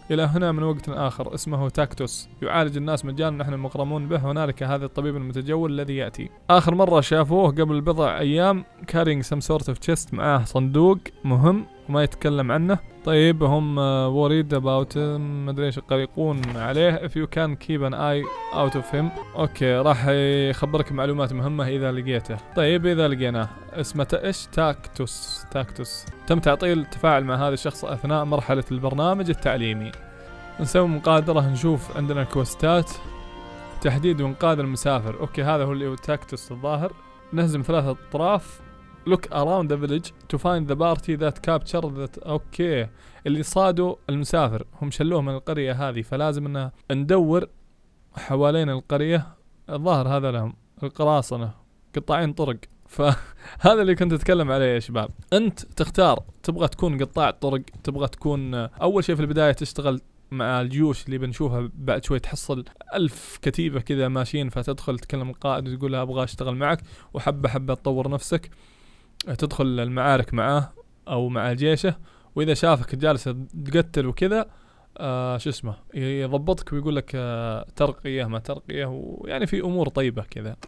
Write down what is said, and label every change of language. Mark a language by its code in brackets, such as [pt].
[ar] إلى هنا من وقت آخر، اسمه تاكتوس، يعالج الناس مجانا، نحن مغرمون به. هنالك هذا الطبيب المتجول الذي يأتي، آخر مرة شافوه قبل بضع أيام [en] carrying some sort of chest, [ar] معاه صندوق مهم وما يتكلم عنه. طيب هم [en] worried about him، [ar] مدري ايش قلقون عليه. [en] If you can keep an eye out of him. [ar] اوكي راح يخبرك معلومات مهمة اذا لقيته. طيب اذا لقيناه، اسمه ايش؟ تاكتوس. تاكتوس تم تعطيل التفاعل مع هذا الشخص اثناء مرحلة البرنامج التعليمي. نسوي مقادرة، نشوف عندنا كوستات تحديد وانقاذ المسافر. اوكي هذا هو اللي هو تاكتوس الظاهر. نهزم 3 اطراف. [en] Look around the village to find the party that captured that. Okay. [ar] اللي صادوا المسافر هم شلوه من القرية هذه، فلازم ان ندور حوالين القرية الظاهر هذا لهم. القراصنة قطاعين طرق. فهذا اللي كنت أتكلم عليه يا شباب، أنت تختار تبغى تكون قطاع طرق، تبغى تكون أول شيء في البداية تشتغل مع الجيوش اللي بنشوفها بعد شوي، تحصل 1000 كتيبة كذا ماشيين، فتدخل تكلم القائد وتقول له أبغى أشتغل معك، وحبة حبة تطور نفسك، تدخل المعارك معاه أو مع الجيشه، وإذا شافك جالس تقتل وكذا شو اسمه يضبطك ويقول لك ترقية ما ترقية، ويعني في أمور طيبة كذا.